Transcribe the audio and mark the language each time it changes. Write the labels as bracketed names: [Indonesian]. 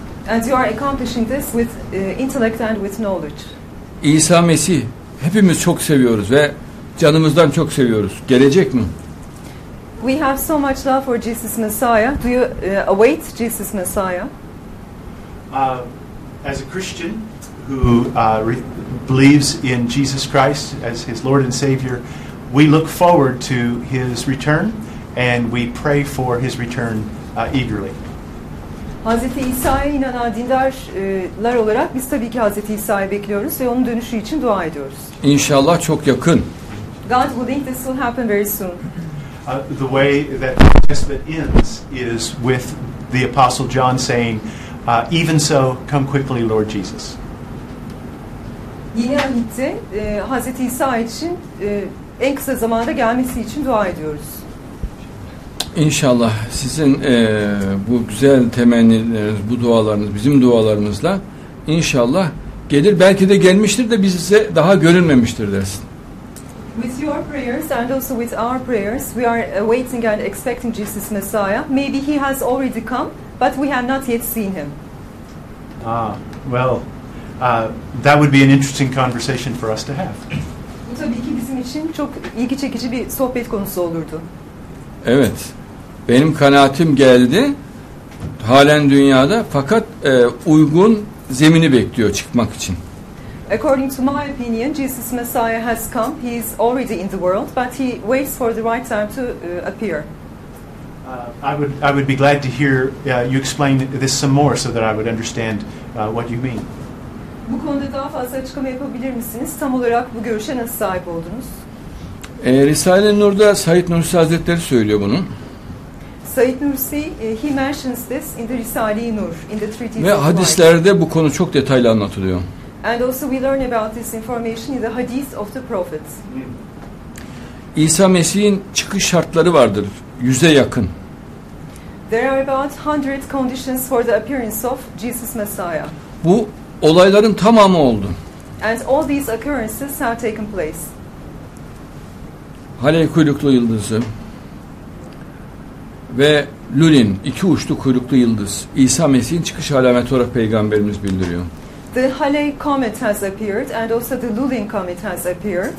[English] And you are accomplishing this with intellect and with knowledge. [Turkish] İsa Mesih, hepimiz çok seviyoruz ve canımızdan çok seviyoruz. Gelecek mi? [English] We have so much love for Jesus Messiah. Do you await Jesus Messiah? As a Christian who believes in Jesus Christ as his Lord and Savior, we look forward to his return and we pray for his return eagerly. [Turkish] Hazreti İsa'ya inanan dindarlar olarak biz tabii ki Hazreti İsa'yı bekliyoruz ve onun dönüşü için dua ediyoruz. İnşallah çok yakın. [English] God willing, this will happen very soon. The way that the New Testament ends is with the Apostle John saying, even so, come quickly, Lord Jesus. [Turkish] Yeni ahitte Hazreti İsa için en kısa zamanda gelmesi için dua ediyoruz. İnşallah sizin bu güzel temennileriniz, bu dualarınız, bizim dualarımızla inşallah gelir. Belki de gelmiştir de biz ise daha görünmemiştir dersin. [English] With your prayers and also with our prayers, we are awaiting and expecting Jesus Messiah. Maybe he has already come, but we have not yet seen him. Well... that would be an interesting conversation for us to have. [Turkish] Bu tabii ki bizim için çok ilgi çekici bir sohbet konusu olurdu. Evet. Benim kanaatim geldi. Halen dünyada fakat uygun zemini bekliyor çıkmak için. [English] According to my opinion, Jesus Messiah has come. He is already in the world, but he waits for the right time to appear. I would be glad to hear you explain this some more so that I would understand what you mean. [Turkish] Bu konuda daha fazla açıklama yapabilir misiniz? Tam olarak bu görüşe nasıl sahip oldunuz? Risale-i Nur'da Said Nursi Hazretleri söylüyor bunu. [English] Said Nursi, he mentions this in the Risale-i Nur, in the treatise. [Turkish] Ve hadislerde bu konu çok detaylı anlatılıyor. [English] And also we learn about this information in the hadith of the prophet. [Turkish] İsa Mesih'in çıkış şartları vardır, yüze yakın. [English] There are about 100 conditions for the appearance of Jesus Messiah. [Turkish] Bu olayların tamamı oldu. [English] And all these occurrences have taken place. [Turkish] Halley kuyruklu yıldızı ve Lulin iki uçlu kuyruklu yıldız İsa Mesih'in çıkış alameti olarak peygamberimiz bildiriyor. [English] The Halley comet has appeared and also the Lulin comet has appeared.